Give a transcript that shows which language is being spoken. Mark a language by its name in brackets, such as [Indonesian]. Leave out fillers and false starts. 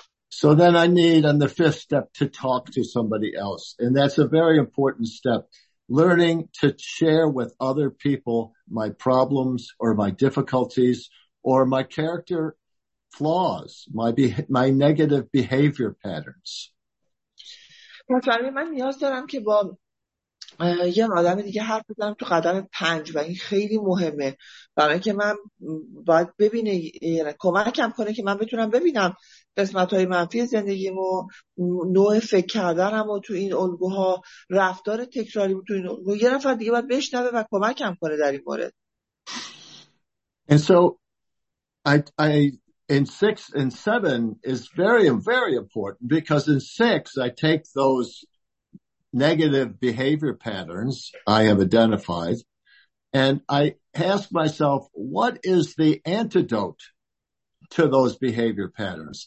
[English] So then I need on the fifth step to talk to somebody else. And that's a very important step. Learning to share with other people my problems or my difficulties or my character flaws, my negative behavior patterns. [Persian] پس برای من نیاز دارم که با یه آدم دیگه حرف بزنم تو قدم پنج و این خیلی مهمه برای که من باید ببینه یعنی کمکم کنه که من بتونم ببینم قسمت های منفی زندگیم و نوع فکر کردنم و تو این الگوها رفتار تکراری تو این الگو یه نفر دیگه باید بشنوه و کمکم کنه در این مورد. [English] And so I in 6 and 7 is very, very important, because in 6 I take those negative behavior patterns I have identified and I ask myself, what is the antidote to those behavior patterns?